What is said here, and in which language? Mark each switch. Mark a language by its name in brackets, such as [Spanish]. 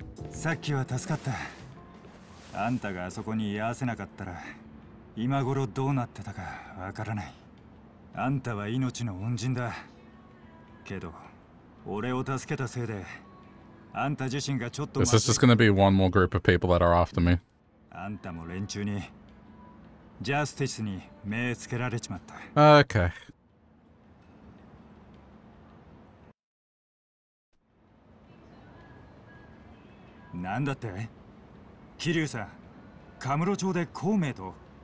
[Japanese] さっきは助かった。あんたがあそこに居合わせなかったら今頃どうなってたかわからない。あんたは命の恩人だけど、俺を助けたせいであんた自身がちょっと。 [English] Is this just gonna be one more group of people that are after me? [Japanese] あんたも連中にジャスティスに目つけられちまった。 [English] Okay. [Japanese] なんだって？キリュウさん、カムロ町で孔明と。